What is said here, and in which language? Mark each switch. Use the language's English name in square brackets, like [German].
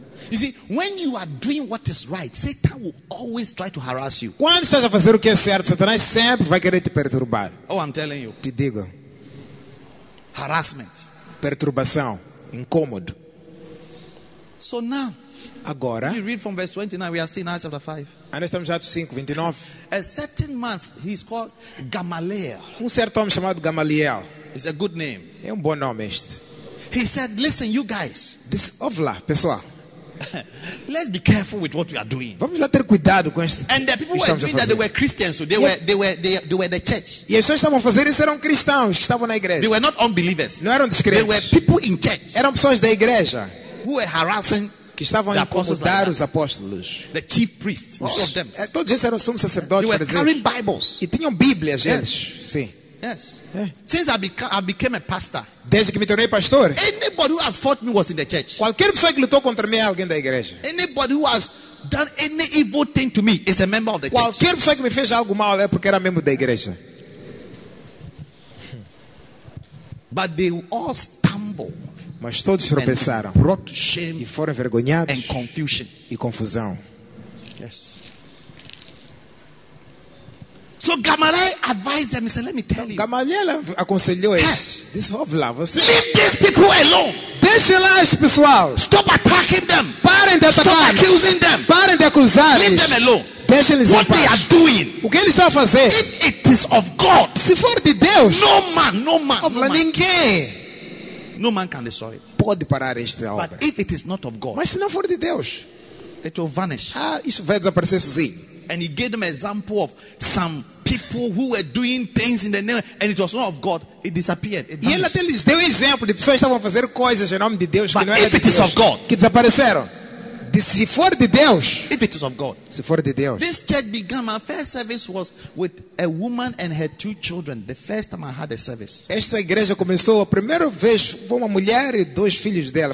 [English] You see, when you are doing what is right, Satan will always try to harass you. [Portuguese] Quando estás a fazer o que é certo, Satanás sempre vai querer te perturbar. [English] Oh, I'm telling you. [Portuguese] Te digo. [English] Harassment. [Portuguese] Perturbação. Incômodo. [English] So now. [Portuguese] Agora. [English] We read from verse 29. We are still in Acts chapter 5. [Portuguese] Nós estamos já no 5, 29. [English] A certain man, he is called Gamaliel. [Portuguese] Certo homem chamado Gamaliel. [English] It's a good name. [Portuguese] É bom nome este. [English] He said, "Listen, you guys." [Portuguese] This ovla, pessoal. [English] Let's be careful with what we are doing. [Portuguese] Vamos lá ter cuidado com isto. [English] And the people were doing that, they were Christians, so they were the church. [Portuguese] E as pessoas estavam a fazer isso eram cristãos que estavam na igreja. [English] They were not unbelievers. [Portuguese] Não eram descrentes. [English] They were people in church. [Portuguese] Eram pessoas da igreja. [English] Who were harassing [Portuguese] que estavam [English] the [Portuguese] a incomodar [English] like [Portuguese] os apóstolos. [English] The chief priests, all of them. [Portuguese] Todos eles eram sumos sacerdotes. [English] They were carrying Bibles. [Portuguese] E tinham Bíblias, gente. [English] Yes. [Portuguese] Sim. [English] Yes. Yeah. Since I became a pastor. [Portuguese] Desde que me tornei pastor. [English] Anybody who has fought me was in the church. [Portuguese] Qualquer pessoa que lutou contra mim é alguém da igreja. [English] Anybody who has done any evil thing to me is a member of the [Portuguese] qualquer [English] church. [Portuguese] Qualquer pessoa que me fez algo mal é porque era membro da igreja. [English] But they all stumble. [Portuguese] Mas todos tropeçaram. [English] And brought to shame [Portuguese] e foram envergonhados [English] and confusion. [Portuguese] E confusão. [English] Yes. So Gamaliel advised them. He said, "Let me tell you." [Portuguese] Gamaliel aconselhou eles. This of love. [English] Leave these people alone. [Portuguese] Deixe lá esse pessoal. [English] Stop attacking them. [Portuguese] Parem de atacar. [English] Stop accusing them. [Portuguese] Parem de acusar. [English] Leave them alone. [Portuguese] Deixe-lhes [English] what they are doing. [Portuguese] O que eles estão a fazer? [English] If it is of God. [Portuguese] Se for de Deus. [English] No man, no man, no man. [Portuguese] Ninguém. [English] No man can destroy it. [Portuguese] Pode parar esta obra. [English] But if it is not of God. [Portuguese] Mas se não for de Deus, [English] it will vanish. [Portuguese] Ah, isso vai desaparecer sozinho. [English] And he gave them an example of some people who were doing things in the name, and it was not of God. It disappeared. [Portuguese] E ele até lhes deu exemplo de pessoas que estavam a fazer coisas em nome de Deus que não era de Deus. [English] But if it is of God, [Portuguese] que desapareceram. Se for de Deus, [English] if it is of God, [Portuguese] se for de Deus. [English] This church began. My first service was with a woman and her two children. The first time I had a service. [Portuguese] Esta igreja começou a primeira vez com uma mulher e dois filhos dela.